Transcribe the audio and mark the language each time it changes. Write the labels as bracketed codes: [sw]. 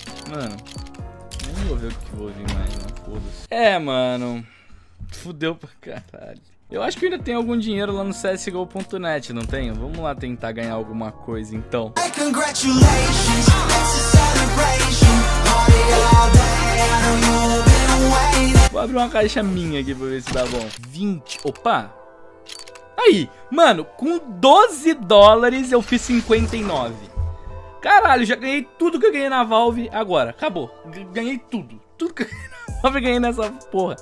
[pt] Mano, nem vou ver o que vou vir mais, não, foda-se. É, mano, fudeu pra caralho. Eu acho que ainda tem algum dinheiro lá no CSGO.net, não tenho? Vamos lá tentar ganhar alguma coisa, então. [en] Hey, congratulations, it's a celebration, party all day, I know you've been waiting. [pt] Vou abrir uma caixa minha aqui pra ver se dá bom. 20, opa. Aí, mano, com 12 dólares eu fiz 59. Caralho, já ganhei tudo que eu ganhei na Valve agora. Acabou. Ganhei tudo. Tudo que eu ganhei na Valve, ganhei nessa porra.